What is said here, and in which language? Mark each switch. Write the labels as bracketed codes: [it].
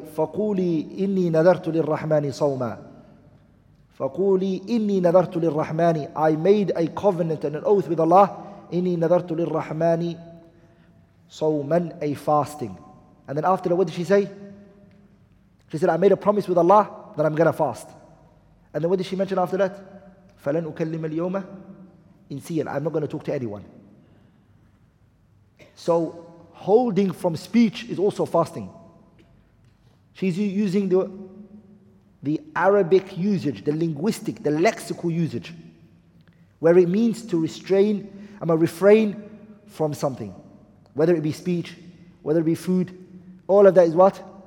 [ar] فقولي إني نذرت للرحمن صوما. فقولي إني نذرت للرحمن. [en] I made a covenant and an oath with Allah. [ar] إني نذرت للرحمن صوما, [en] a fasting. And then after that, what did she say? She said, I made a promise with Allah that I'm gonna fast. And then what did she mention after that? [ar] فلن أكلم اليوم [en] in Sir. I'm not going to talk to anyone. So holding from speech is also fasting. She's using the Arabic usage, the linguistic, the lexical usage, where it means to restrain, I'm a refrain from something, whether it be speech, whether it be food, all of that is what?